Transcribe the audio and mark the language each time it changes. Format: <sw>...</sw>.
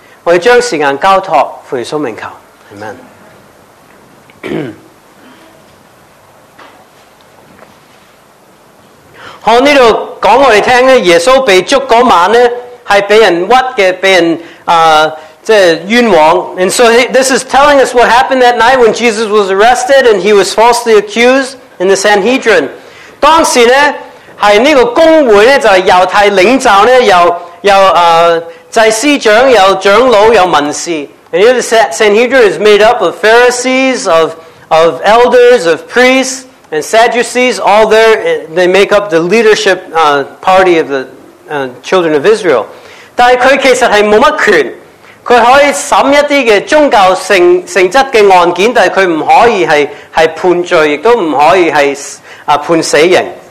<zh>我们将时间交托奉耶稣名求， Amen。看这里讲我们听，耶稣被捉那晚是被人屈的，被人冤枉。</zh> <en>And so this is telling us what happened that night when Jesus was arrested and he was falsely accused in the Sanhedrin.</en> <zh>当时呢，是这个公会呢，就是犹太领袖呢，祭司长，有长老，有文士。</zh> <en>And you know, the Sanhedrin is made up of Pharisees, of elders, of priests, and Sadducees, all there, they make up the leadership party of the children of Israel.</en> <zh>但他其实是没什么权，他可以审一些的宗教 性质的案件，但他不可以 是判罪，也都不可以是判死刑。</zh>